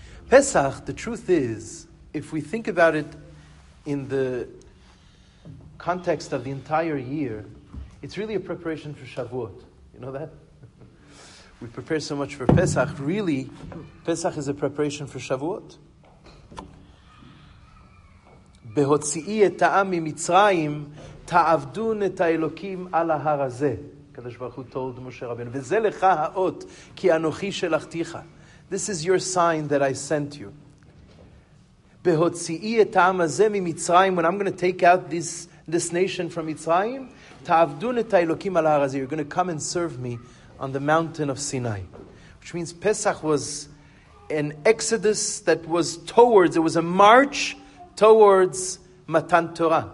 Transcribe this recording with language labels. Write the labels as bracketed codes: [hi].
[en] Pesach, the truth is, if we think about it in the context of the entire year, it's really a preparation for Shavuot. You know that? We prepare so much for Pesach. Really, Pesach is a preparation for Shavuot. [he] Behotzi'i et ha'am mimitzrayim, תעבדון את האלוקים על ההר הזה. הקדוש ברוך הוא [en] told [he] משה רבינו. וזה לך האות, כי אנוכי שלחתיך. [en] This is your sign that I sent you. [he] בהוציאי את העם הזה ממצרים, [en] when I'm going to take out this nation from מצרים, [he] תעבדון את האלוקים על ההר הזה. [en] You're going to come and serve me on the mountain of Sinai. Which means Pesach was an exodus that was towards, it was a march towards Matan Torah.